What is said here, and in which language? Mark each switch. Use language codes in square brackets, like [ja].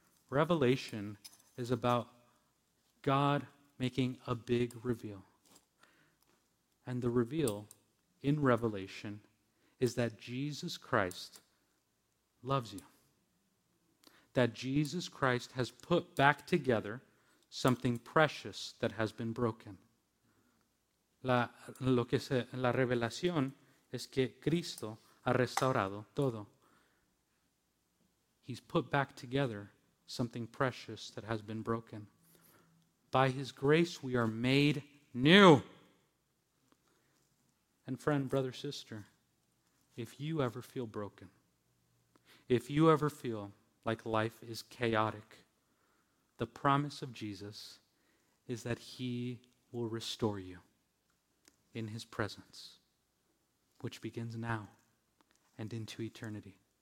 [en] Revelation is about God making a big reveal. And the reveal in Revelation is that Jesus Christ loves you. That Jesus Christ has put back together something precious that has been broken. [es] La revelación es que Cristo ha restaurado todo. [en] He's put back together something precious that has been broken. By his grace, we are made new. And friend, brother, sister, if you ever feel broken, if you ever feel like life is chaotic, the promise of Jesus is that he will restore you in his presence, which begins now and into eternity.